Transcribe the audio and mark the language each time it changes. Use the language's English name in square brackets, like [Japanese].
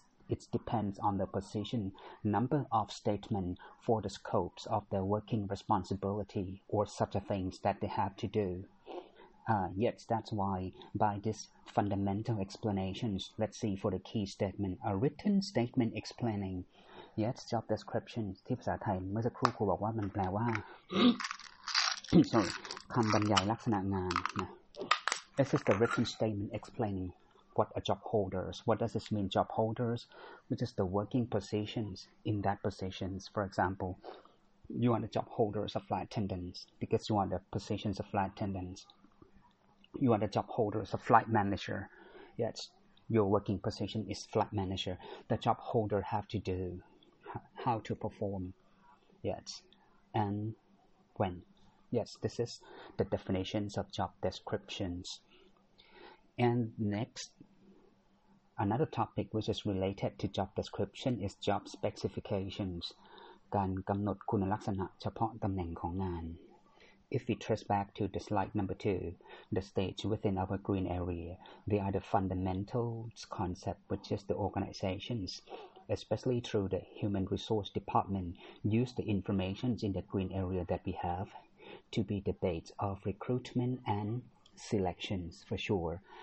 [English] It depends on the position, number of statement for the scopes of their working responsibility or such a things that they have to do. Yet that's why by this fundamental explanations, let's see for the key statement, a written statement explaining. Yet job description [Thai] ที่ภาษาไทยเมื่อสักครู่ครูบอกว่ามันแปลว่า sorry คำบรรยายลักษณะงานนะ [English] This is the written statement explaining. What are job holders? What does this mean, job holders? Which is the working positions in that positions. For example, you are the job holders of flight attendants because you are the positions of flight attendants. You are the job holders of flight manager. Yes, your working position is flight manager. The job holder have to do how to perform. Yes, and when. Yes, this is the definitions of job descriptions. And next. Another topic which is related to job description is job specifications. [Thai] การกำหนดคุณลักษณะเฉพาะตำแหน่งของงาน. [English] If we trace back to the slide number 2, the stage within our green area, they are the fundamental concept which is the organizations, especially through the human resource department, use the information in the green area that we have to be the base of recruitment and selections for sure.